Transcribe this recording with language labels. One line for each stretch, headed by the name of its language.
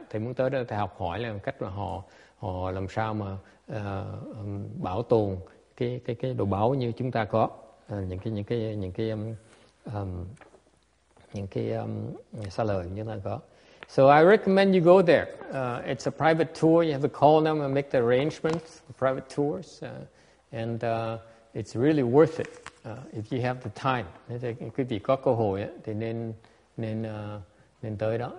Vietnamese: Thầy muốn tới đó thầy học hỏi là cách mà họ làm sao mà bảo tồn cái đồ báu như chúng ta có, những cái xa lời chúng ta có.
English: So I recommend you go there. It's a private tour. You have to call them and make the arrangements for private tours, and it's really worth it if you have the time.
Vietnamese: Quý vị có cơ hội thì nên tới đó.